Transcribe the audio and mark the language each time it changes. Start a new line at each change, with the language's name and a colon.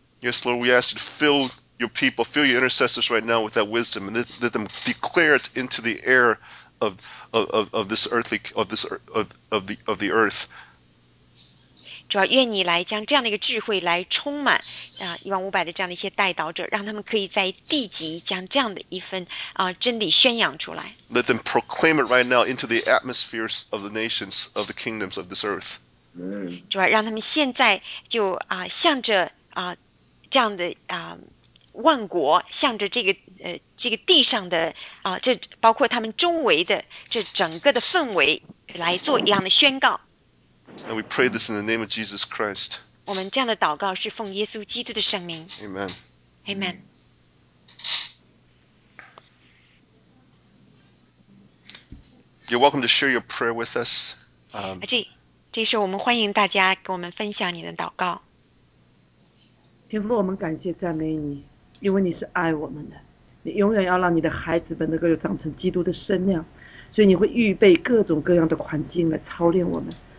English: Yes, Lord, we ask you to fill your people, fill your intercessors right now with that wisdom, and let them declare it into the air of this earth.
Chinese: 主要愿你来将这样的一个智慧来充满1500的这样的一些代导者，让他们可以在地级将这样的一份真理宣扬出来。
English: Let them proclaim it right now into the atmospheres of the nations of the kingdoms of this earth.
Chinese: 主要让他们现在就向着这样的万国向着这个地上的这包括他们周围的这整个的氛围来做一样的宣告。
English: And we pray this in the name of Jesus Christ.
Chinese: 我们这样的祷告是奉耶稣基督的圣名。
English: Amen. Amen. You're welcome to share your prayer with us. 这时候我们欢迎大家跟我们分享你的祷告。
Chinese: 天父，我们感谢赞美你，因为你是爱我们的，你永远要让你的孩子们能够长成基督的身量，所以你会预备各种各样的环境来操练我们。